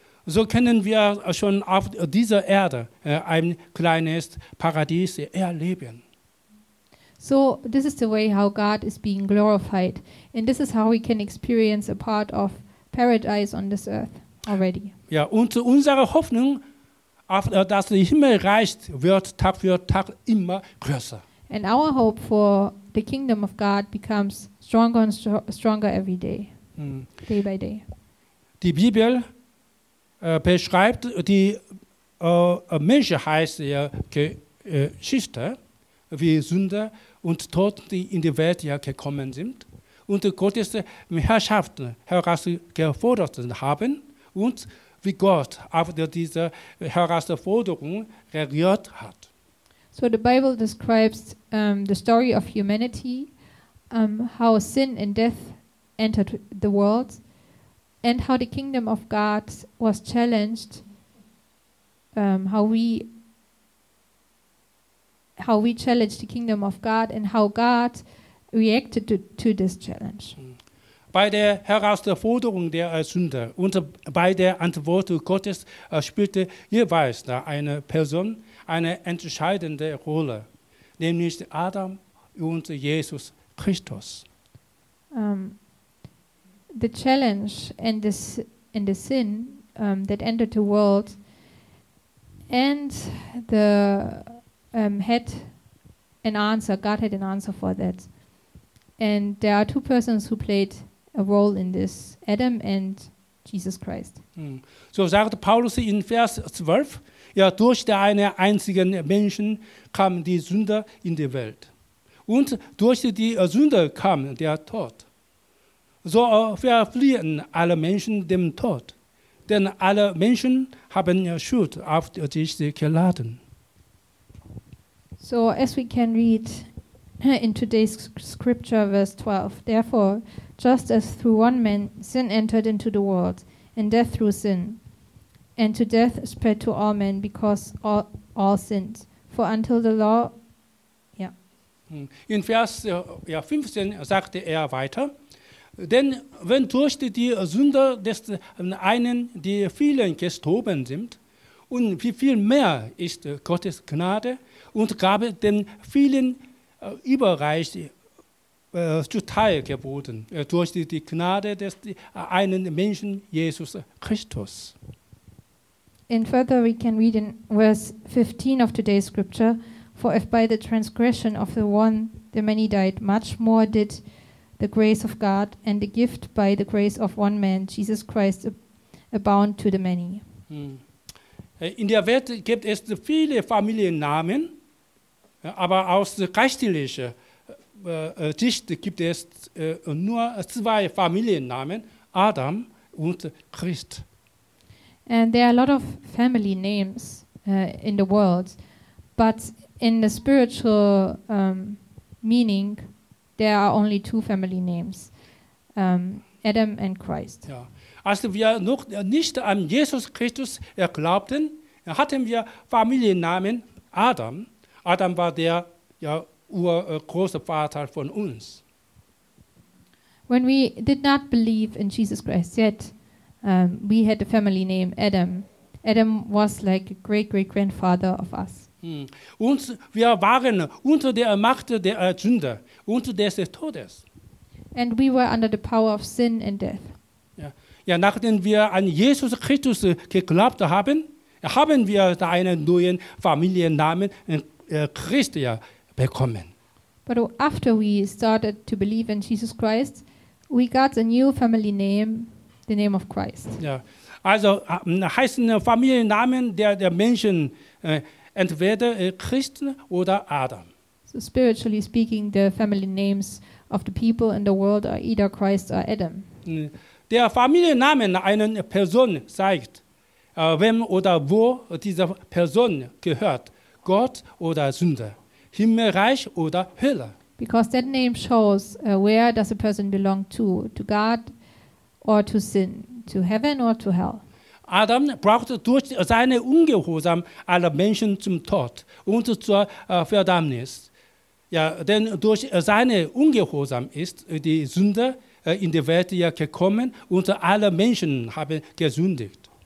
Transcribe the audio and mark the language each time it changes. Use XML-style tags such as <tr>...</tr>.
<de>So können wir schon auf dieser Erde ein kleines Paradies erleben.</de> <en>So this is the way how God is being glorified and this is how we can experience a part of paradise on this earth already.</en> <de>Und unsere Hoffnung auf das Himmelreich wird Tag für Tag immer größer.</de> <en>And our hope for the kingdom of God becomes stronger and stronger every day, day by day.</en> <de>Die Bibel beschreibt die Menschheitsgeschichte, wie Sünde und Tod die in die Welt gekommen sind und Gottes Herrschaft herausgefordert haben und wie Gott auf diese Herausforderung reagiert hat.</de> <en>So the Bible describes the story of humanity, how sin and death entered the world, and how the kingdom of God was challenged, how we challenged the kingdom of God and how God reacted to this challenge.</en> <de>Bei der Herausforderung der Sünde und bei der Antwort Gottes spielte jeweils eine Person eine entscheidende Rolle, nämlich Adam und Jesus Christus.</de> <en>The challenge and the sin that entered the world and the had an answer. God had an answer for that. And there are two persons who played a role in this, Adam and Jesus Christ.</en> <de>So sagt Paulus in Vers 12, durch einen einzigen Menschen kam die Sünde in die Welt. Und durch die Sünde kam der Tod. So verfliehen alle Menschen dem Tod, denn alle Menschen haben Schuld auf sich geladen.</de> <en>So as we can read in today's scripture, verse 12, therefore, just as through one man sin entered into the world, and death through sin, and to death spread to all men because all sinned. For until the law...</en> <de>In Vers 15 sagte weiter, denn wenn durch die Sünde des einen die vielen gestorben sind, und wie viel mehr ist Gottes Gnade und Gabe den vielen überreicht, zuteil geworden durch die Gnade des einen Menschen, Jesus Christus.</de> <en>And further we can read in verse 15 of today's scripture, for if by the transgression of the one the many died, much more did the grace of God and the gift by the grace of one man, Jesus Christ, abound to the many.</en> <de>In der Welt gibt es viele Familiennamen, aber aus geistlicher Sicht gibt es nur zwei Familiennamen, Adam und Christ.</de> <en>And there are a lot of family names in the world, but in the spiritual meaning, there are only two family names, Adam and Christ.</en> <de>Ja. Als wir noch nicht an Jesus Christus glaubten, hatten wir Familiennamen Adam. Adam war der Urgroßvater von uns.</de> <en>When we did not believe in Jesus Christ yet, we had a family name Adam. Adam was like a great-great-grandfather of us.</en> <de>Und wir waren unter der Macht der Sünde, unter des Todes.</de> <en>And we were under the power of sin and death.</en> <de>Ja, nachdem wir an Jesus Christus geglaubt haben, haben wir da einen neuen Familiennamen Christ bekommen.</de> <en>But after we started to believe in Jesus Christ, we got a new family name, the name of Christ.</en> <de>Ja, also heißen Familiennamen der Menschen entweder Christen oder Adam.</de> <en>So spiritually speaking, the family names of the people in the world are either Christ or Adam.</en> <de>Der Familienname einer Person zeigt, wem oder wo diese Person gehört, Gott oder Sünde, Himmelreich oder Hölle.</de> <en>Because that name shows where does a person belong to God or to sin, to heaven or to hell.</en> <de>Adam brachte durch seine Ungehorsam alle Menschen zum Tod und zur Verdammnis. Ja, denn durch seine Ungehorsam ist die Sünde in die Welt gekommen und alle Menschen haben gesündigt.</de>